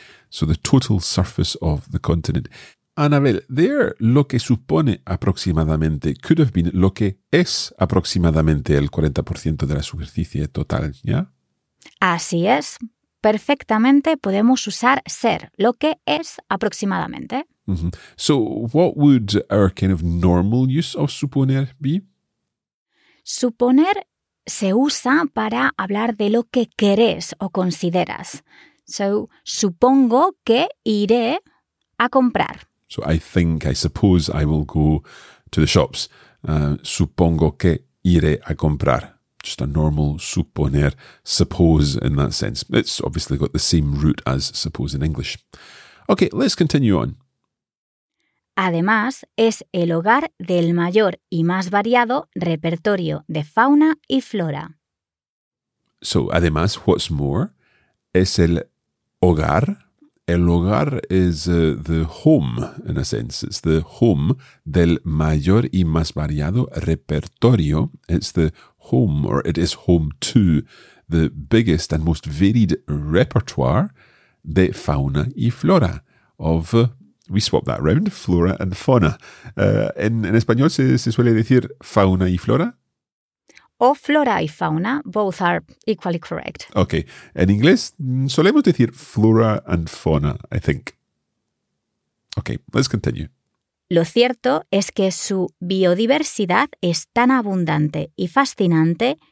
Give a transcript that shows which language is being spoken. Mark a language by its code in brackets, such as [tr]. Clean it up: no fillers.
[en] So the total surface of the continent. [es] Anabel, there, lo que supone aproximadamente [en] could have been [es] lo que es aproximadamente el 40% de la superficie total, ¿ya? Así es. Perfectamente podemos usar ser, lo que es aproximadamente. Mm-hmm. [en] So what would our kind of normal use of suponer be? [es] Suponer se usa para hablar de lo que querés o consideras. So, supongo que iré a comprar. [en] So, I think, I suppose I will go to the shops. [es] Supongo que iré a comprar. [en] Just a normal suponer, suppose in that sense. It's obviously got the same root as suppose in English. Okay, let's continue on. [es] Además, es el hogar del mayor y más variado repertorio de fauna y flora. So, además, [en] what's more, [es] es el hogar. [en] El hogar is the home, in a sense. It's the home [es] del mayor y más variado repertorio. [en] It's the home, or it is home to, the biggest and most varied repertoire [es] de fauna y flora, [en] of we swap that round, flora and fauna. [es] En español se suele decir fauna y flora. O flora y fauna, [en] both are equally correct. Okay, [es] en inglés solemos decir [en] flora and fauna, I think. Okay, let's continue. [es] Lo cierto es que su biodiversidad es tan abundante y fascinante